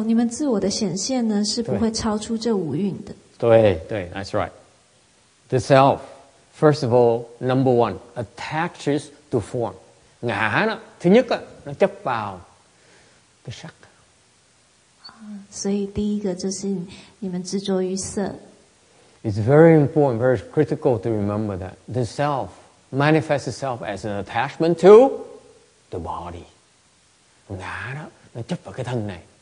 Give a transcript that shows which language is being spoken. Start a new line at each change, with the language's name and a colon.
Chinese: Just你的你们自我怎么样出现？哦，你们自我的显现呢，是不会超出这五蕴的。对对,
English: that's right. The self, first of all, number one, attaches to form.
Vietnamese: Ngã nó, thứ nhất, nó chấp vào cái sắc.
Chinese: 所以第一个就是你们执着于色。
English: It's very important, very critical to remember that the self manifests itself as an attachment to the body.
Vietnamese: Ngã nó, nó chấp vào cái thân này.